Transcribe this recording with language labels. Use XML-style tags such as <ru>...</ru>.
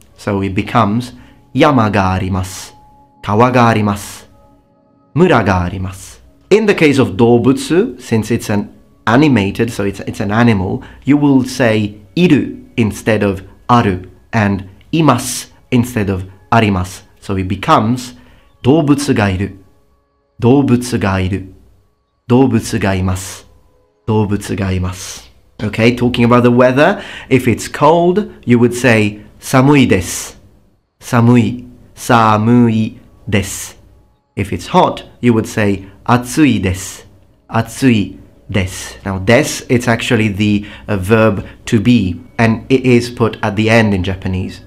<en>So it becomes</en> <ja>yamagarimasu, kawagarimasu, muragarimasu.</ja> <en>In the case of dobutsu, since it's an animated, so it's an animal, you will say iru instead of aru and imasu instead of arimasu. So it becomes</en> <ja>dobutsu ga iru, dobutsu ga iru, dobutsu ga imasu,</ja> <en>dobutsu ga imasu. Okay, talking about the weather, if it's cold, you would say</en> <ja>samui desu. Samui, samui desu.</ja> <en>If it's hot, you would say</en> <ja>atsui desu. Atsui desu.</ja> <en>Now, desu, it's actually the verb to be, and it is put at the end in Japanese.</en>